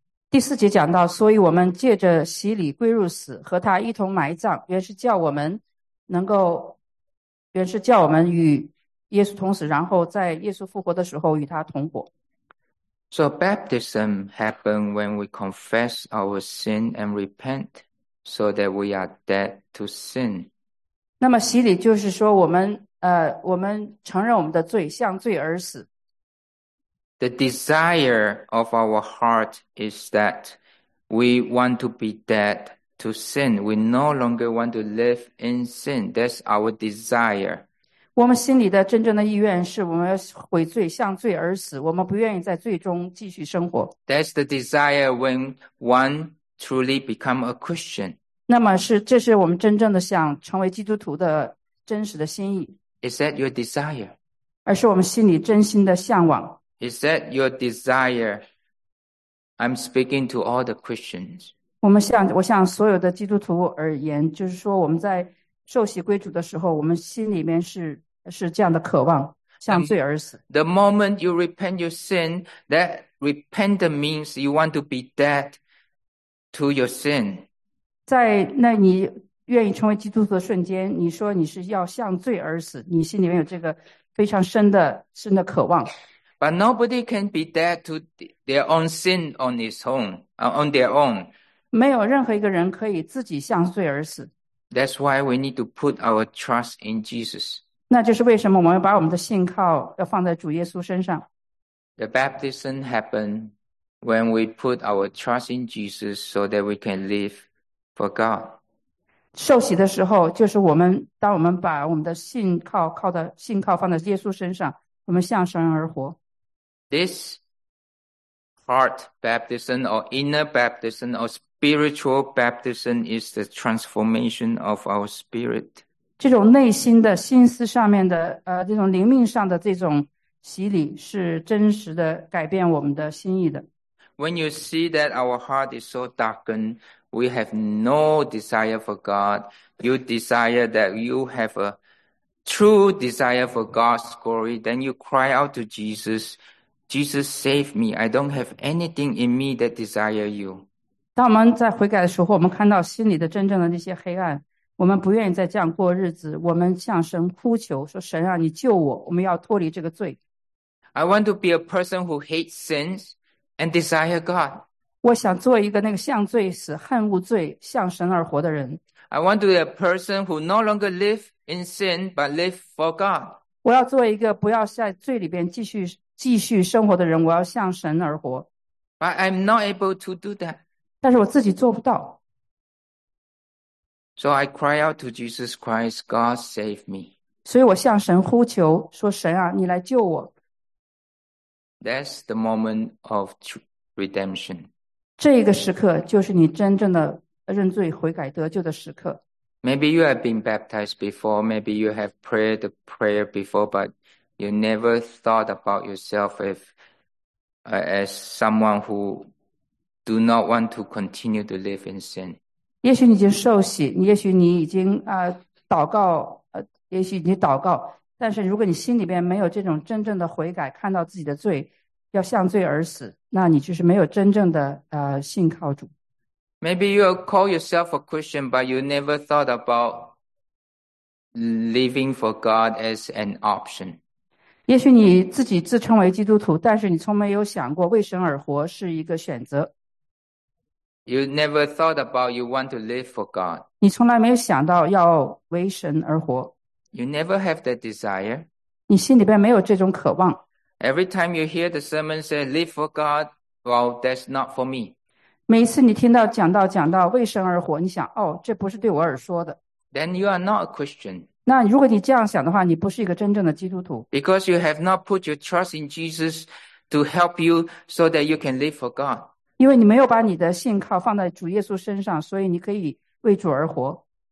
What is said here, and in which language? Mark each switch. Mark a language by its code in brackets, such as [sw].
[zh] 第四节讲到，所以我们借着洗礼归入死，和他一同埋葬，原是叫我们能够，原是叫我们与耶稣同死，然后在耶稣复活的时候与他同活。 [en] So baptism happens when we confess our sin and repent so that we are dead to sin. [zh] 那么洗礼就是说我们承认我们的罪，向罪而死。 [en] The desire of our heart is that we want to be dead to sin. We no longer want to live in sin. That's our desire. [zh] 我们心里的真正的意愿是我们要悔罪，向罪而死，我们不愿意在罪中继续生活。 [en] That's the desire when one truly become a Christian. [zh] 那么是这是我们真正的想成为基督徒的真实的心意。 [en] Is that your desire? [zh] 而是我们心里真心的向往。 [en] Is that your desire? I'm speaking to all the Christians. [zh] 我向所有的基督徒而言，就是说我们在受洗归主的时候，我们心里面 是这样的渴望，向罪而死。 [en] The moment you repent your sin, that repent means you want to be dead to your sin. [zh] 在那你愿意成为基督徒的瞬间，你说你是要向罪而死，你心里面有这个非常深的渴望。 [en] But nobody can be dead to their own sin on their own. [zh] 没有任何一个人可以自己向罪而死。 [en] That's why we need to put our trust in Jesus. [zh] 那就是为什么我们把我们的信靠要放在主耶稣身上。 [en] The baptism happens when we put our trust in Jesus so that we can live for God. [zh] 受洗的时候就是当我们把我们的信靠放在耶稣身上，我们向神而活。 [en] This heart baptism or inner baptism or spiritual baptism is the transformation of our spirit. [zh] 这种内心的心思上面的这种灵命上的这种洗礼是真实的改变我们的心意的。 [en] When you see that our heart is so darkened, we have no desire for God, you desire that you have a true desire for God's glory, then you cry out to Jesus, Jesus save me, I don't have anything in me that desire you. [zh] 当我们在悔改的时候，我们看到心里的真正的那些黑暗，我们不愿意再这样过日子，我们向神哭求说，神啊，你救我，我们要脱离这个罪。 [en] I want to be a person who hates sins and desire God. [zh] 我想做一个那个向罪死，恨恶罪，向神而活的人。 [en] I want to be a person who no longer live in sin but live for God. [zh] 我要做一个不要在罪里边继续生活的人，我要向神而活。 [en] But I'm not able to do that. [zh] 但是我自己做不到。 [en] So I cry out to Jesus Christ, God save me. [zh] 所以我向神呼求，说神啊，你来救我。 [en] That's the moment of redemption. [zh] 这个时刻就是你真正的认罪悔改得救的时刻。 [en] Maybe you have been baptized before, maybe you have prayed the prayer before, but you never thought about yourself as someone whoDo not want to continue to live in sin. [zh] 也许你已经受洗，也许你已经祷告，但是如果你心里边没有这种真正的悔改，看到自己的罪，要向罪而死，那你就是没有真正的信靠主。 [en] Maybe you call yourself a Christian, but you never thought about living for God as an option. [zh] 也许你自己自称为基督徒，但是你从没有想过为神而活是一个选择。 [en] You never thought about you want to live for God. [zh] 你从来没有想到要为神而活。 [en] You never have that desire. [zh] 你心里边没有这种渴望。 [en] Every time you hear the sermon say live for God, well, that's not for me. [zh] 每次你听到讲道讲到为神而活，你想哦，这不是对我而说的。 [en] Then you are not a Christian. [zh] 那如果你这样想的话，你不是一个真正的基督徒。 [en] Because you have not put your trust in Jesus to help you so that you can live for God. [zh] 因为你没有把你的信靠放在主耶稣身上，所以你可以为主而活。